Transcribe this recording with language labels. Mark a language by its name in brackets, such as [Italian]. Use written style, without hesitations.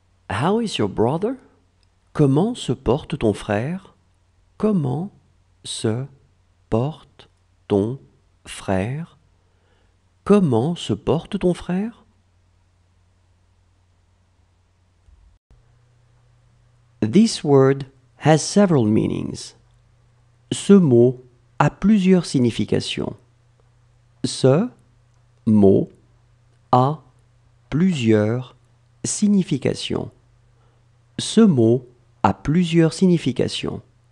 [English] How is your brother? [French] Comment se porte ton frère? Comment se porte ton frère? Comment se porte ton frère? [English] This word has several meanings. [French] Ce mot a plusieurs significations. Ce mot a plusieurs significations. Ce mot a plusieurs significations.